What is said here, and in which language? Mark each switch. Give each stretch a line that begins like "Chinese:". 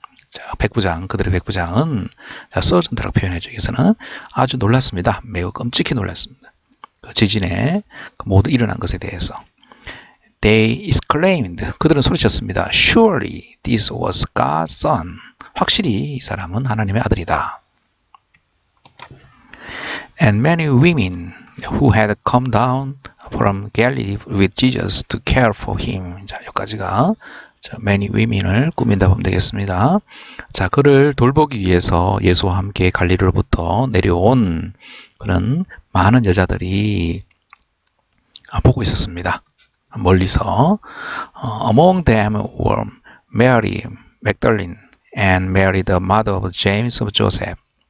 Korean: 자, 백부장 그들의 백부장은 surgeon이라고 표현해 주기에서는 아주 놀랐습니다. 매우 끔찍히 놀랐습니다. 그 지진에 그 모두 일어난 것에 대해서.
English: They exclaimed.
Korean: 그들은 소리쳤습니다.
English: Surely this was God's son.
Korean: 확실히 이 사람은 하나님의 아들이다.
English: And many women who had come down from Galilee with Jesus to care for him.
Korean: 자, 여기까지가 many women을 꾸민다 보면 되겠습니다. 자, 그를 돌보기 위해서 예수와 함께 갈릴리로부터 내려온 그런 많은 여자들이 보고 있었습니다. 멀리서
English: among them were Mary Magdalene and Mary, the mother of James of Joseph.